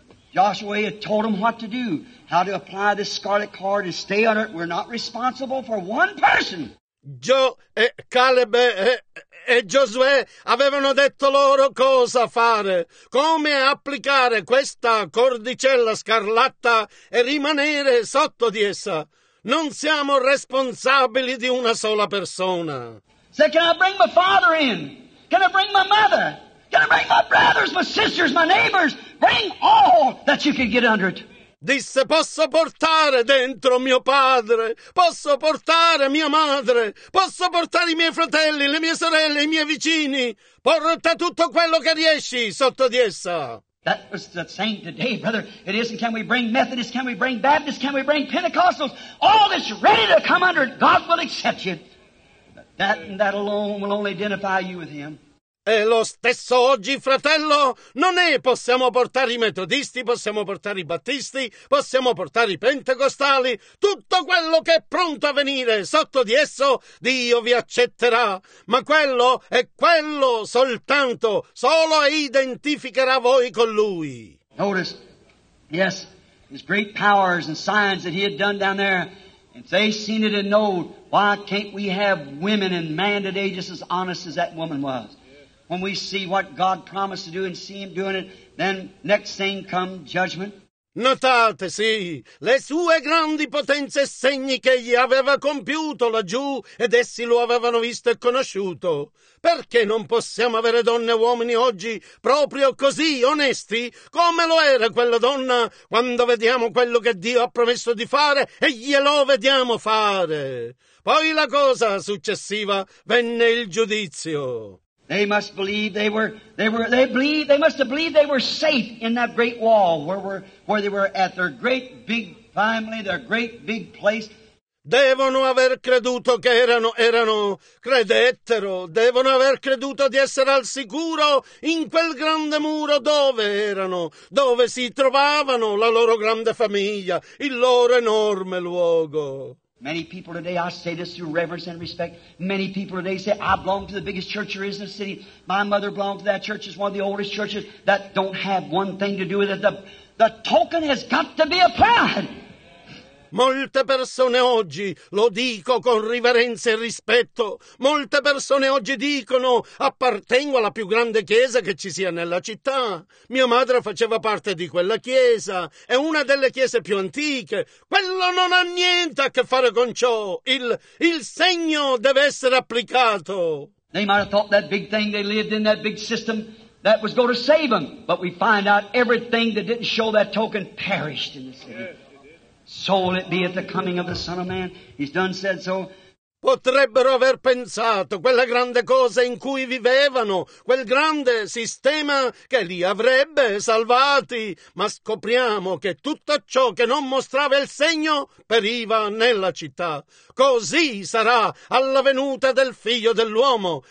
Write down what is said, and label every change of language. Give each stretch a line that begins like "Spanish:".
English: Joshua had told him what to do, how to apply this scarlet cord and stay under it. We're not responsible for one person.
Italian: Caleb e Giosuè avevano detto loro cosa fare, come applicare questa cordicella scarlatta e rimanere sotto di essa. Non siamo responsabili di una sola persona.
English: So can I bring my father in? Can I bring my mother? Can I bring my brothers, my sisters, my neighbors? Bring all that you can get under it.
Italian: Disse, posso portare dentro mio padre, posso portare mia madre, posso portare i miei fratelli, le mie sorelle, i miei vicini. Porta tutto quello che riesci sotto di essa.
English: That was the same today, brother. It isn't can we bring Methodists, can we bring Baptists, can we bring Pentecostals? All that's ready to come under it, God will accept you. That and that alone will only identify you with him.
Italian: E lo stesso oggi, fratello, non è possiamo portare i metodisti, possiamo portare i battisti, possiamo portare i pentecostali, tutto quello che è pronto a venire sotto di esso, Dio vi accetterà. Ma quello è quello soltanto, solo identificherà voi con Lui.
English: Notice, yes, his great powers and signs that he had done down there, and they seen it and know, why can't we have women and man today just as honest as that woman was? When we see what God promised to do and see him doing it, then next thing come judgment.
Italian: Notate, sì, le sue grandi potenze e segni che egli aveva compiuto laggiù ed essi lo avevano visto e conosciuto. Perché non possiamo avere donne e uomini oggi proprio così onesti come lo era quella donna quando vediamo quello che Dio ha promesso di fare e glielo vediamo fare? Poi la cosa successiva venne il giudizio.
English: They must believe they must have believed they were safe in that great wall where they were at their great big family, their great big place.
Italian: Devono aver creduto che erano credettero, devono aver creduto di essere al sicuro in quel grande muro dove erano, dove si trovavano la loro grande famiglia, il loro enorme luogo.
English: Many people today, I say this through reverence and respect, many people today say, I belong to the biggest church there is in the city. My mother belonged to that church. It's one of the oldest churches that don't have one thing to do with it. The token has got to be applied.
Italian: Molte persone oggi, lo dico con riverenza e rispetto, molte persone oggi dicono appartengo alla più grande chiesa che ci sia nella città. Mia madre faceva parte di quella chiesa, è una delle chiese più antiche. Quello non ha niente a che fare con ciò. Il segno deve essere applicato.
English: They might have thought that big thing they lived in, that big system, that was going to save them. But we find out everything that didn't show that token perished in the city. Yeah. So will it be at the coming of the Son of Man. He's done said so.
Italian: Potrebbero aver pensato quella grande cosa in cui vivevano, quel grande sistema che li avrebbe salvati, ma scopriamo che tutto ciò che non mostrava il segno periva nella città. Così sarà alla venuta del Figlio dell'Uomo.